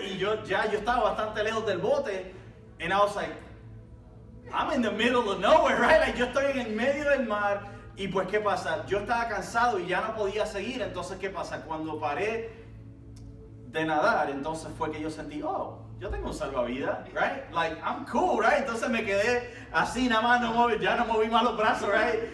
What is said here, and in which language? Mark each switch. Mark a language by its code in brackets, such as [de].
[es] Y yo estaba bastante lejos del bote. [en] And I was like, I'm in the middle of nowhere, right? Like, [es] yo estoy en el medio del mar. Y pues, ¿qué pasa? Yo estaba cansado y ya no podía seguir. Entonces, ¿qué pasa? Cuando paré de nadar, entonces fue que yo sentí, oh, yo tengo un salvavidas, [en] right? Like, I'm cool, right? [es] Entonces me quedé así, nada más, ya no moví más los brazos, [en] right?